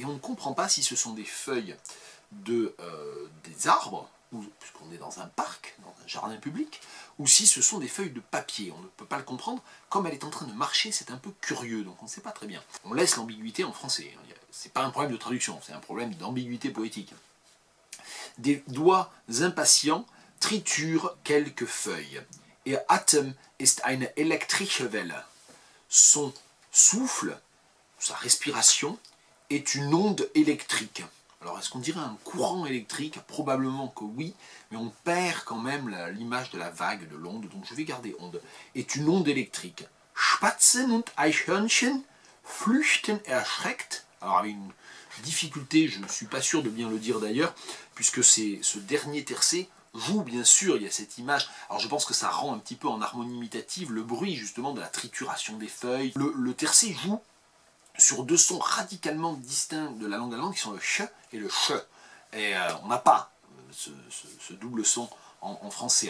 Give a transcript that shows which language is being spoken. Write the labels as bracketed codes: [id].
[fr] Et on ne comprend pas si ce sont des feuilles de des arbres, ou, puisqu'on est dans un parc, dans un jardin public, ou si ce sont des feuilles de papier. On ne peut pas le comprendre. Comme elle est en train de marcher, c'est un peu curieux, donc on ne sait pas très bien. On laisse l'ambiguïté en français. Ce n'est pas un problème de traduction, c'est un problème d'ambiguïté poétique. Des doigts impatients, triture quelques feuilles. [de] Er Atem ist eine elektrische Welle. [fr] Son souffle, sa respiration, est une onde électrique. Alors, est-ce qu'on dirait un courant électrique? Probablement que oui, mais on perd quand même l'image de la vague, de l'onde, donc je vais garder onde. Est une onde électrique. [de] Spatzen und Eichhörnchen flüchten erschreckt. [fr] Alors, avec une difficulté, je ne suis pas sûr de bien le dire d'ailleurs, puisque c'est ce dernier tercet. Vous, bien sûr, il y a cette image. Alors, je pense que ça rend un petit peu en harmonie imitative le bruit, justement, de la trituration des feuilles. Le tercet joue sur deux sons radicalement distincts de la langue allemande, qui sont le ch et le ch. Et on n'a pas ce double son en français.